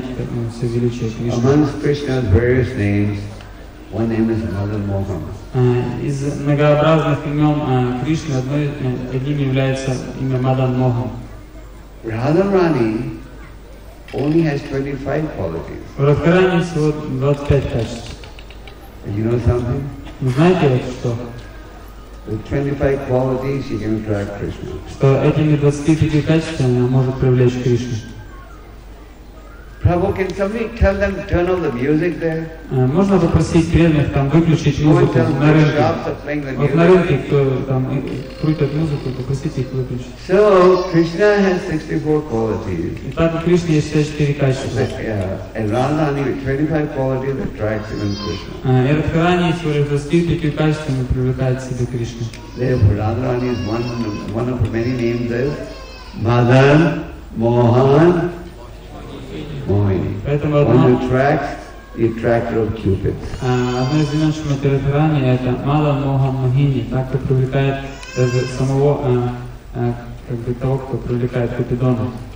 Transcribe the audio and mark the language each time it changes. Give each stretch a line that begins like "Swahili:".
English: Amongst Krishna's various names, one name is Madan Mohan.
Russian: Из многообразных имен Кришны одним является имя Мадан Мохан.
English: Radha Rani only has 25 qualities.
Russian: У Радхарани всего 25 качеств.
English: And you know something?
Russian: Знаете вот что?
English: With 25 qualities, she can attract Krishna.
Russian: Что этими 25 качествами она может привлечь Кришну.
English: Prabhu, can somebody tell them turn off the music there?
Russian: Можно попросить преданных там выключить музыку на рынке? Вот на рынке кто там крутит музыку, попросите их выключить.
English: So Krishna has 64 qualities.
Russian: Итак, у Кришны есть 64 качества.
English: And Radha Rani with 25 qualities attracts even Krishna.
Russian: Радхарани своих 25 качествами привлекает себе Кришну.
English: Therefore, Radha Rani is one of her many names is Madan Mohan.
Russian: Поэтому одно из имен Шримати Радхарани это Мадан Мохан Мохини. Так кто привлекает даже самого как бы того, кто привлекает Купидона.